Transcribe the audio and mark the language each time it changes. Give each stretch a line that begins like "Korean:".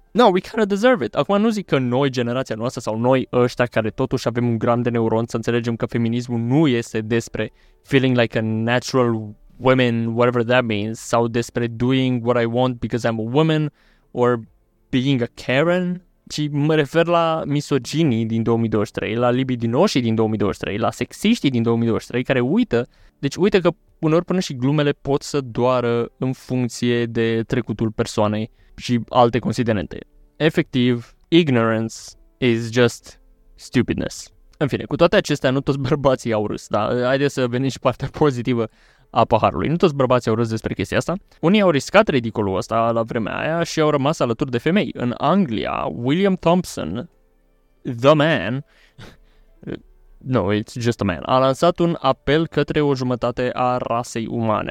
English: No, we kind of deserve it.
Romanian: Acum nu zic că noi, generația noastră, sau noi ăștia care totuși avem un gram de neuron să înțelegem că feminismul nu este despre
English: feeling like a natural woman, whatever that means,
Romanian: sau despre
English: doing what I want because I'm a woman, or being a Karen.
Romanian: Ci mă refer la misoginii din 2023, la libidinoșii din 2023, la sexiștii din 2023, care uită, deci uită că uneori până și glumele pot să doară în funcție de trecutul persoanei și alte considerente.
English: Efectiv, ignorance is just stupidness.
Romanian: În fine, cu toate acestea, nu toți bărbații au râs, dar haideți să venim și partea pozitivă a paharului. Nu toți bărbații au râs despre chestia asta. Unii au riscat ridicolul ăsta la vremea aia și au rămas alături de femei. În Anglia, William Thompson,
English: the man, no, it's just a man,
Romanian: a lansat un apel către o jumătate a rasei umane.